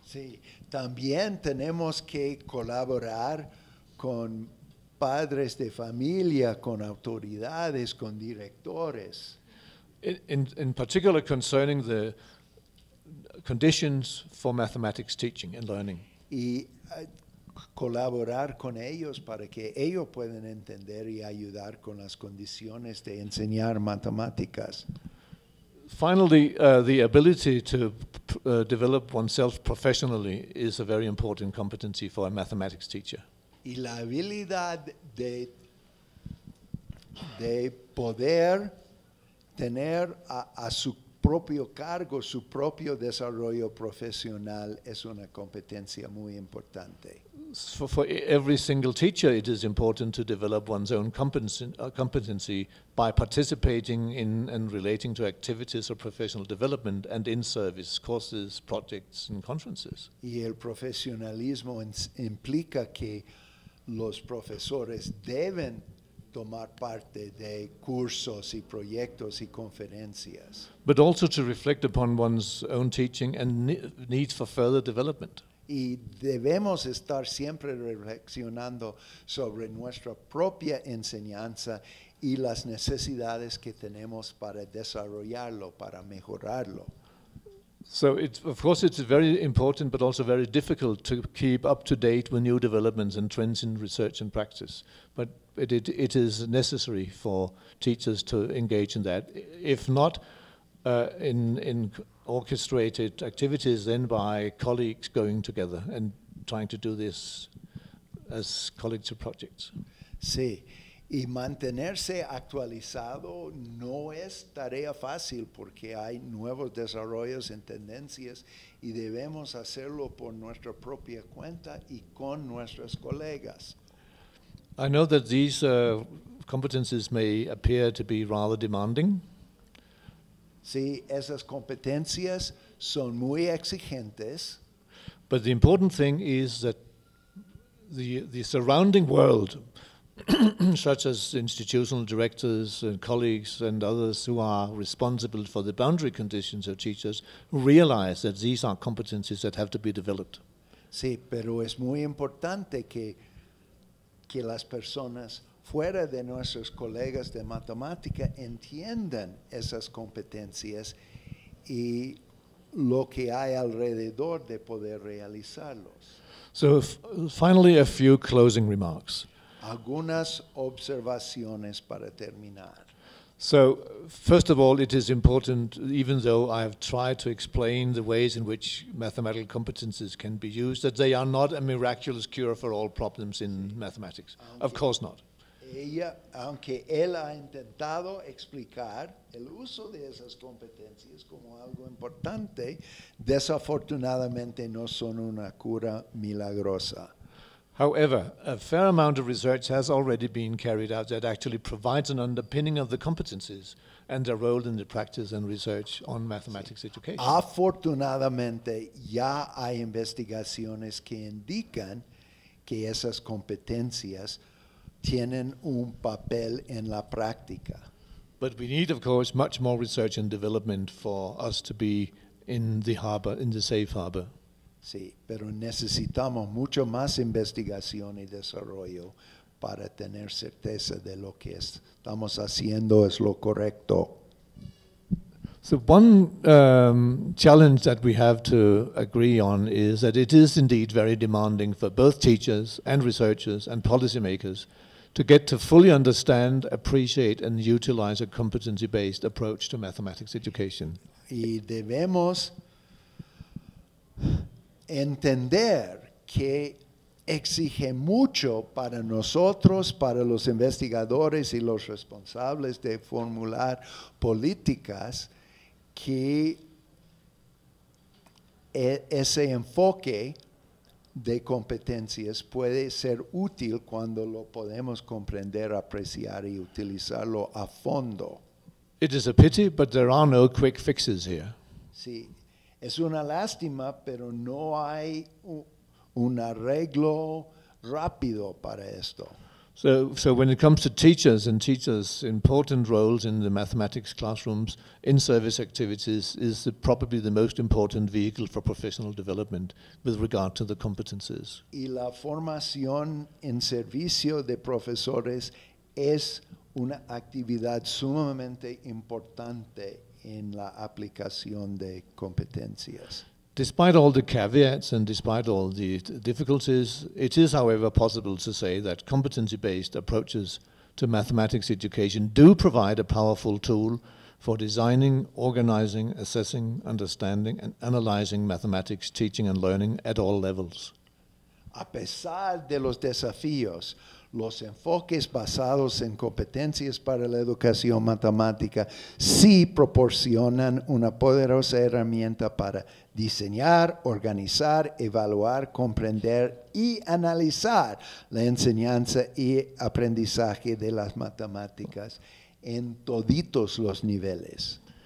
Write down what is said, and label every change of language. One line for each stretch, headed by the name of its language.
Spanish: Sí, también tenemos que colaborar con padres de familia, con autoridades, con directores.
English: In particular concerning the conditions for mathematics teaching and learning.
Spanish: Y colaborar con ellos para que ellos puedan entender y ayudar con las condiciones de enseñar matemáticas.
English: Finally, the ability to develop oneself professionally is a very important competency for a mathematics teacher.
Spanish: Y la habilidad de poder tener a su propio cargo, su propio desarrollo profesional es una competencia muy importante.
English: For every single teacher, it is important to develop one's own competency by participating in and relating to activities of professional development and in-service courses, projects, and conferences.
Spanish: Y el profesionalismo implica que los profesores deben tomar parte de cursos y proyectos y conferencias.
English: But also to reflect upon one's own teaching and needs for further development.
Spanish: Y debemos estar siempre reflexionando sobre nuestra propia enseñanza y las necesidades que tenemos para desarrollarlo, para mejorarlo.
English: So it's, of course, it's very important, but also very difficult to keep up to date with new developments and trends in research and practice. But it is necessary for teachers to engage in that. If not in orchestrated activities, then by colleagues going together and trying to do this as colleagues of projects.
Spanish: Sí. Y mantenerse actualizado no es tarea fácil porque hay nuevos desarrollos en tendencias y debemos hacerlo por nuestra propia cuenta y con nuestros colegas.
English: I know that these competencies may appear to be rather demanding.
Spanish: Sí, esas competencias son muy exigentes.
English: But the important thing is that the surrounding world, such as institutional directors and colleagues and others who are responsible for the boundary conditions of teachers, realize that these are competencies that have to be developed.
Spanish: Sí, pero es muy importante que las personas fuera de nuestros colegas de matemática entiendan esas competencias y lo que hay alrededor de poder realizarlos.
English: So, finally, a few closing remarks.
Spanish: Algunas observaciones para terminar.
English: So, first of all, it is important, even though I have tried to explain the ways in which mathematical competences can be used, that they are not a miraculous cure for all problems in mathematics.
Spanish: Aunque
English: of course not.
Spanish: Aunque él ha intentado explicar el uso de esas competencias como algo importante, desafortunadamente no son una cura milagrosa.
English: However, a fair amount of research has already been carried out that actually provides an underpinning of the competencies and their role in the practice and research on mathematics education.
Spanish: Afortunadamente, ya hay investigaciones que indican que esas competencias tienen un papel en la práctica.
English: But we need, of course, much more research and development for us to be in the harbor, in the safe harbor.
Spanish: Sí, pero necesitamos mucho más investigación y desarrollo para tener certeza de lo que estamos haciendo es lo correcto.
English: So one challenge that we have to agree on is that it is indeed very demanding for both teachers and researchers and policymakers to get to fully understand, appreciate and utilize a competency-based approach to mathematics education.
Spanish: Y debemos entender que exige mucho para nosotros, para los investigadores y los responsables de formular políticas que ese enfoque de competencias puede ser útil cuando lo podemos comprender, apreciar y utilizarlo a fondo.
English: It is a pity, but there are no quick fixes here.
Spanish: Sí. Es una lástima, pero no hay un arreglo rápido para esto.
English: So when it comes to teachers and teachers' important roles in the mathematics classrooms, in-service activities is probably the most important vehicle for professional development with regard to the competences.
Spanish: Y la formación en servicio de profesores es una actividad sumamente importante en la aplicación de competencias.
English: Despite all the caveats and despite all the difficulties, it is, however, possible to say that competency-based approaches to mathematics education do provide a powerful tool for designing, organizing, assessing, understanding, and analyzing mathematics teaching and learning at all levels.
Spanish: A pesar de los desafíos, los enfoques basados en competencias para la educación matemática sí proporcionan una poderosa herramienta para diseñar, organizar, evaluar, comprender y analizar la enseñanza y aprendizaje de las matemáticas en toditos los niveles.